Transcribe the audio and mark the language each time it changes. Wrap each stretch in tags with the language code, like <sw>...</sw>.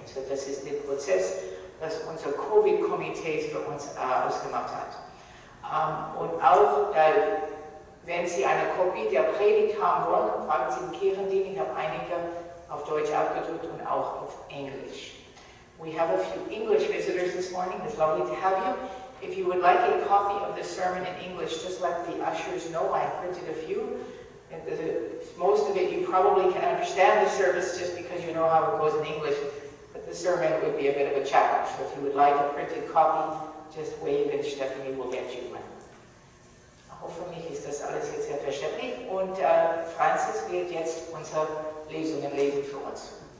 <de>So, das ist der Prozess, das unser Covid-Komitee für uns ausgemacht hat. Und auch, wenn Sie eine Kopie der Predigt haben wollen, fragen Sie den Kirchendienst. Ich habe einige auf Deutsch abgedruckt und auch auf Englisch.</de> <en>We have a few English visitors this morning. It's lovely to have you. If you would like a copy of the sermon in English, just let the ushers know. I printed a few. Most of it, you probably can understand the service just because you know how it goes in English. But the sermon would be a bit of a challenge. So if you would like a printed copy, just wave and Stephanie will get you one.</en> <de>Hoffentlich ist das alles jetzt sehr verständlich. Und Francis wird jetzt unsere Lesungen lesen für uns.</de>